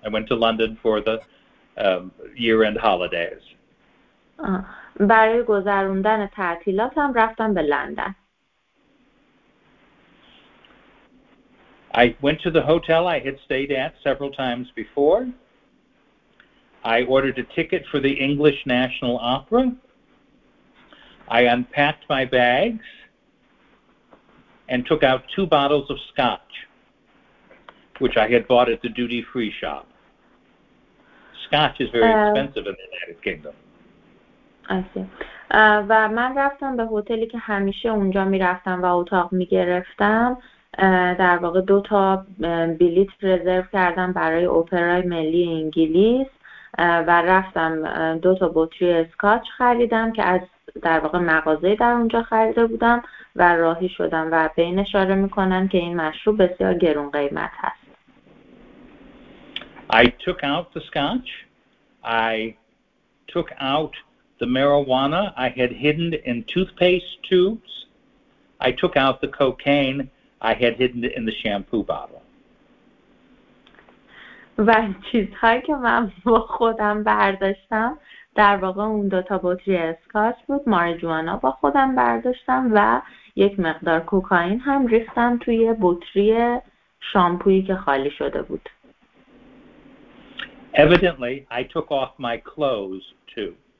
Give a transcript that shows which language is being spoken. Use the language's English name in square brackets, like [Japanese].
[English] I went to London for the year-end holidays. [Persian] برای گذروندن تعطیلاتم رفتم به لندن. [English] I went to the hotel I had stayed at several times before. I ordered a ticket for the English National Opera. I unpacked my bags and took out two bottles of scotch, which I had bought at the duty-free shop. Scotch is very expensive in the United Kingdom. I see. [Persian] و من رفتم به هتلی که همیشه اونجا می‌رفتم و اتاق می‌گرفتم. در واقع دو تا بلیت رزرو کردم برای اپرای ملی انگلیس و رفتم دو تا بطری اسکاچ خریدم که از در واقع مغازه در اونجا خریده بودم و راهی شدم و به این اشاره میکنن که این مشروب بسیار گرون قیمت هست. [English] I took out the scotch. I took out the marijuana I had hidden in toothpaste tubes. I took out the cocaine I had hidden it in the shampoo bottle. [Persian] و چیزهایی که من با خودم برداشتم در واقع اون دو تا بطری اسکاچ بود. ماریجوانا با خودم برداشتم و یک مقدار کوکائین هم ریختم توی بطری شامپویی که خالی شده بود. [English] Evidently, I took off my clothes too.